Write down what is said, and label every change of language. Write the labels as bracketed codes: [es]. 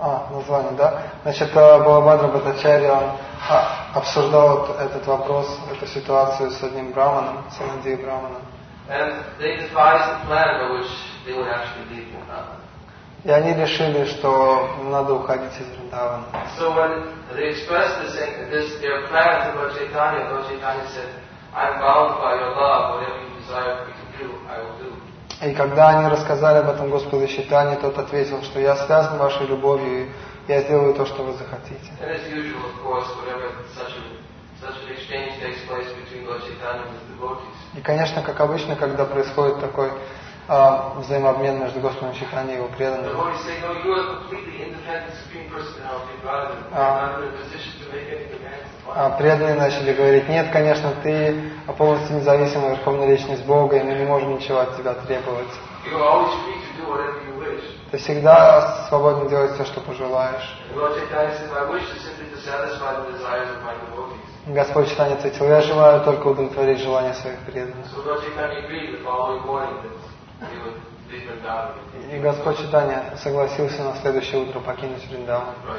[ru] Название, да? Значит, Балабхадра Бхаттачарья обсуждал вот этот вопрос, эту ситуацию с одним брахманом, с Санандией брахманом. [en] And they devised a plan by which they would actually leave Vrindavan. [ru] И они решили, что надо уходить из Вриндавана. [en] So when they expressed this, their prayer to Lord Chaitanya said, I'm bound by your love, whatever you desire me to do, I will do. [ru] И когда они рассказали об этом Господу Чайтанье, тот ответил, что я связан вашей любовью, я сделаю то, что вы захотите. [en] And as usual, of course, whatever such an exchange takes place between Lord Chaitanya and the devotees. [ru] И, конечно, как обычно, когда происходит такой взаимообмен между Господом Чайтанье и его преданными. [en] The devotees say, no, you are a completely independent supreme personality, rather than in a position to make any demands. [ru] А преданные начали говорить, нет, конечно, ты полностью независимый Верховный Личность Бога, и мы не можем ничего от тебя требовать. [en] You are always free to do whatever you wish. [ru] Ты всегда свободен делать все, что пожелаешь. [en] And Lord Chaitanya said, I wish to simply to satisfy the desires of my devotees. [ru] Господь Чайтанья ответил, я желаю только удовлетворить желания своих преданных. [en] So Lord Chaitanya agreed the following morning that he would leave Vrindavan. [ru] И Господь Чайтанья согласился на следующее утро покинуть Вриндаван.